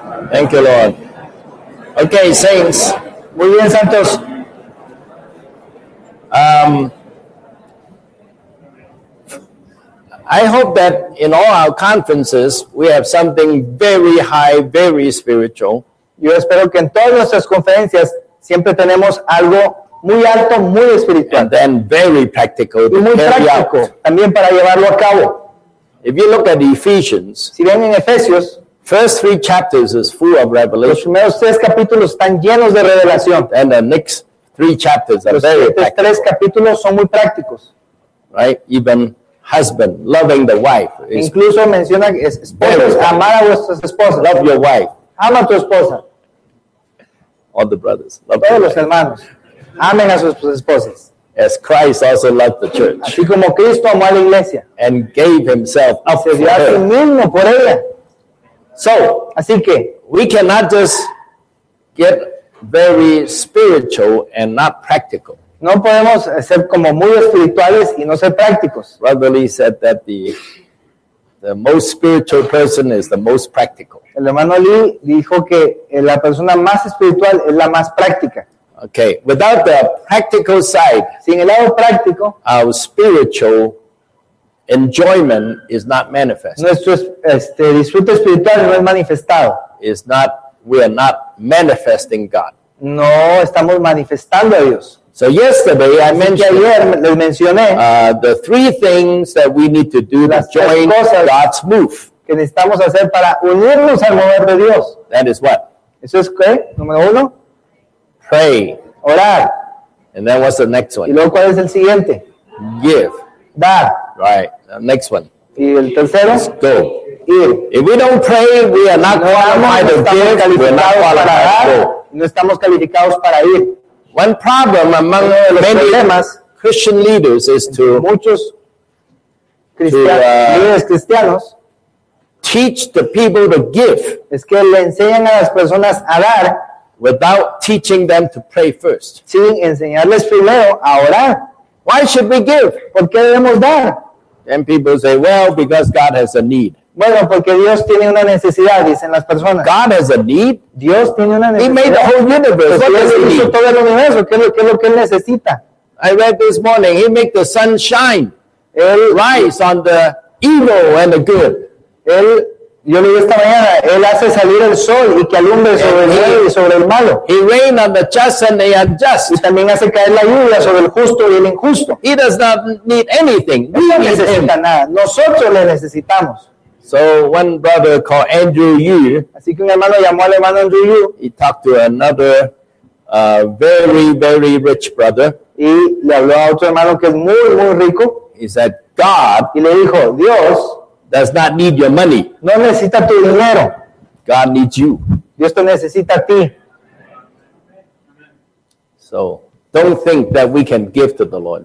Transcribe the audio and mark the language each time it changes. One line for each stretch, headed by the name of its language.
English: Thank you, Lord. Okay, saints.
Spanish: Muy bien, santos.
English: I hope that in all our conferences we have something very high, very spiritual.
Spanish: Yo espero que en todas nuestras conferencias siempre tenemos algo muy alto, muy espiritual.
English: And then very practical.
Spanish: Y muy práctico también para llevarlo a cabo.
English: If you look at Ephesians,
Spanish: si ven en Efesios,
English: first three chapters is full of revelation.
Spanish: Los primeros tres capítulos están llenos de revelación.
English: And the next three chapters are
Spanish: los
English: very
Spanish: tres
English: practical.
Spanish: Tres capítulos son muy prácticos.
English: Right? Even husband loving the wife.
Spanish: Incluso menciona esposos, amar a vuestras esposas.
English: Love your wife.
Spanish: Ama a tu esposa.
English: All the brothers.
Spanish: Love todos los wife. Hermanos. Amen a sus esposas.
English: As Christ also loved the church.
Spanish: Así como Cristo amó a la iglesia.
English: And gave himself up for her.
Spanish: Se dio a sí mismo por ella.
English: So,
Spanish: así que,
English: we cannot just get very spiritual and not practical.
Spanish: No podemos ser como muy espirituales y no ser prácticos.
English: Brother Lee said that the most spiritual person is the most practical.
Spanish: El hermano Lee dijo que la persona más espiritual es la más práctica.
English: Okay, without the practical side,
Spanish: sin el lado práctico,
English: our spiritual enjoyment is not manifest.
Spanish: Nuestro disfrute espiritual no es manifestado.
English: Is not, we are not manifesting God.
Spanish: No estamos manifestando a Dios.
English: So yesterday I mentioned the three things that we need to do to join God's move.
Spanish: Que necesitamos hacer para unirnos al mover de Dios.
English: That is what?
Spanish: Eso es qué? Número uno.
English: Pray.
Spanish: Orar.
English: And then what's the next one?
Spanish: Y luego cuál es el siguiente?
English: Give.
Spanish: Dar.
English: Right. Next one.
Spanish: Y el tercero.
English: Let's go.
Spanish: Ir.
English: If we don't pray, we are not qualified to give. We're not qualified to go.
Spanish: No estamos calificados para ir.
English: One problem among many Christian leaders is to
Spanish: muchos cristianos
English: teach the people to give.
Spanish: Es que le enseñan a las personas a dar
English: without teaching them to pray first.
Spanish: Sin enseñarles primero a orar.
English: Why should we give?
Spanish: ¿Por qué debemos dar?
English: And people say, well, because God has a need.
Spanish: Bueno, porque Dios tiene una necesidad, dicen las personas.
English: God has a need.
Spanish: Dios tiene una necesidad.
English: He made the whole universe.
Spanish: ¿Qué es lo que hizo todo el universo? ¿Qué es lo que él necesita?
English: I read this morning, he made the sun shine.
Spanish: Él
English: rise on the evil and the good.
Spanish: Él, yo lo vi esta mañana, él hace salir el sol y que alumbre sobre el bien y sobre el malo.
English: He rain on the just and the unjust.
Spanish: Y también hace caer la lluvia sobre el justo y el injusto.
English: He does not need anything.
Spanish: No necesita
English: him.
Spanish: Nada. Nosotros le necesitamos.
English: So one brother called Andrew Yu.
Spanish: Así que un hermano llamó al hermano Andrew Yu.
English: He talked to another very, very rich brother.
Spanish: Y le habló a otro hermano que es muy, muy rico.
English: He said, God.
Spanish: Y le dijo, Dios
English: does not need your money.
Spanish: No necesita tu dinero.
English: God needs you.
Spanish: Dios te necesita a ti.
English: So don't think that we can give to the Lord.